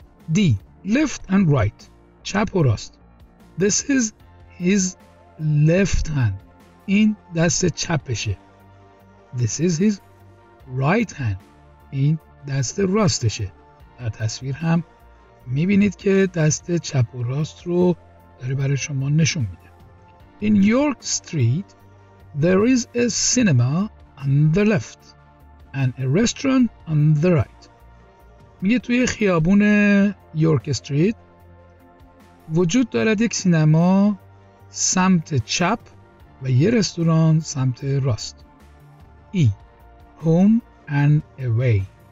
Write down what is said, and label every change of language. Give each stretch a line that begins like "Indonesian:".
English: D. Left and right.
Persian: چپ و راست.
English: This is his left hand.
Persian: این دست چپشه.
English: This is his right hand.
Persian: این دست راستشه. در تصویر هم میبینید که دست چپ و راست رو داره برای شما نشون میده.
English: In York Street there is a cinema on the left and a restaurant on the right.
Persian: میگه توی خیابون York Street وجود دارد یک سینما سمت چپ و یه رستوران سمت راست.
English: E. Home and away.